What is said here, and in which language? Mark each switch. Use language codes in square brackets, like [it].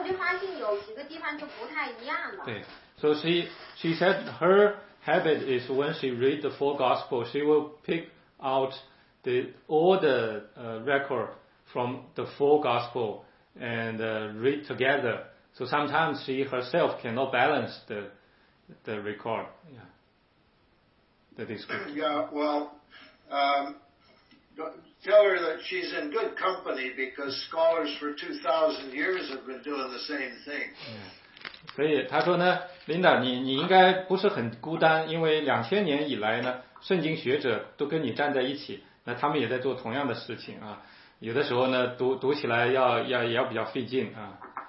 [zh] 就是有就是我就是喜欢四福音讲一个同样的事情，他们是有一个小节，就是哪个福音也讲的这个事情嘛。我就喜欢四个福音一起这样子看，然后我就发现有几个地方就不太一样了。对。 [en] So she said her habit is when she read the four gospels, she will pick out the all the record from the four gospels and read together. So sometimes she herself cannot balance the record, the description. Yeah, well, tell her that she's in good company because scholars for 2,000 years have been doing the same thing. Yeah. [zh] 所以她说呢, Linda, 你应该不是很孤单, 因为2000年以来呢, 圣经学者都跟你站在一起, 那他们也在做同样的事情啊, 有的时候呢, 读起来要比较费劲啊。